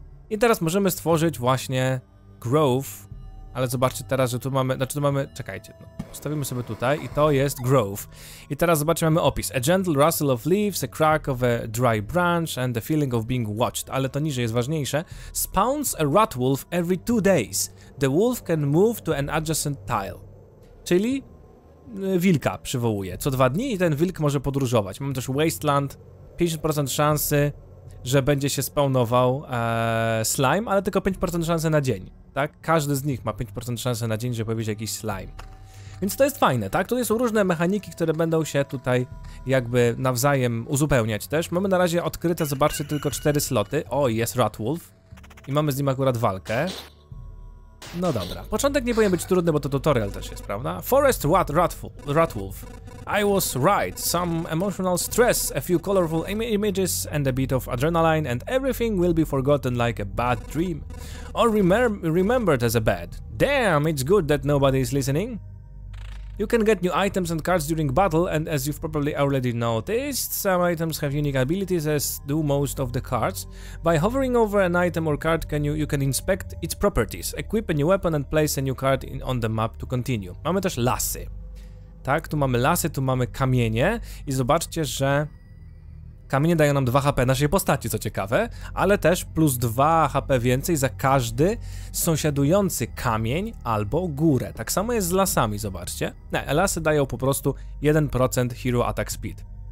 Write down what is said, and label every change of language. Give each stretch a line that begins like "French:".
Polish: I teraz możemy stworzyć właśnie grove. Ale zobaczcie teraz, że tu mamy... Znaczy tu mamy... Czekajcie. No, Ustawimy sobie tutaj i to jest Grove. I teraz zobaczymy, mamy opis.
English: A gentle rustle of leaves, a crack of a dry branch and the feeling of being watched.
Polish: Ale to niżej jest ważniejsze.
English: Spawns a rat wolf every 2 days. The wolf can move to an adjacent tile.
Polish: Czyli wilka przywołuje. Co 2 dni i ten wilk może podróżować. Mamy też wasteland. 50% szansy, że będzie się spawnował slime, ale tylko 5% szansy na dzień. Tak? Każdy z nich ma 5% szansy na dzień, że pojawi się jakiś slime. Więc to jest fajne, tak? Tutaj są różne mechaniki, które będą się tutaj jakby nawzajem uzupełniać też. Mamy na razie odkryte, zobaczcie, tylko 4 sloty. O, jest Ratwolf. I mamy z nim akurat walkę. No dobra. Początek nie powinien być trudny, bo to tutorial też jest, prawda?
English: Forest Ratwolf. I was right. Some emotional stress, a few colorful images and a bit of adrenaline and everything will be forgotten like a bad dream. Or remembered as a bad. Damn, it's good that nobody is listening. You can get new items and cards during battle, and as you've probably already noticed, some items have unique abilities, as do most of the cards. By hovering over an item or card, you can inspect its properties, equip a new weapon and place a new card on the map to continue.
Polish: Mamy też lasy. Tak, tu mamy lasy, tu mamy kamienie i zobaczcie, że kamienie dają nam 2 HP naszej postaci, co ciekawe, ale też plus 2 HP więcej za każdy sąsiadujący kamień albo górę. Tak samo jest z lasami, zobaczcie. Nie, lasy dają po prostu 1% Hero Attack Speed.